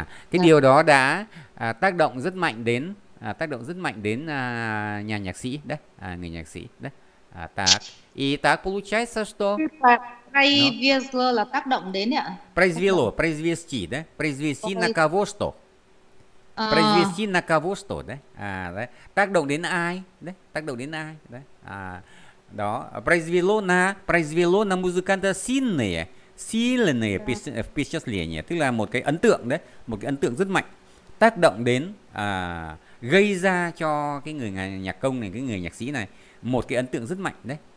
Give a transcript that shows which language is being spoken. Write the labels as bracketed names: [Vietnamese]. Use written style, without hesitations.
[Vietnamese] Điều đó đã tác động rất mạnh đến nhà nhạc sĩ, да? Người nhạc sĩ, да? [Russian] Так. И так получается, что [Vietnamese] произвело là tác động đến ạ. [Russian] Произвело, произвести, да? Произвести на кого что? Произвести на кого что, да? Да. [Vietnamese] Tác động đến ai, да? Tác động đến ai, да? Đó, [Russian] произвело на музыканта сильное впечатление, [Vietnamese] tức là một cái ấn tượng đấy, một cái ấn tượng rất mạnh, tác động đến gây ra cho cái người nhạc công này, cái người nhạc sĩ này một cái ấn tượng rất mạnh đấy.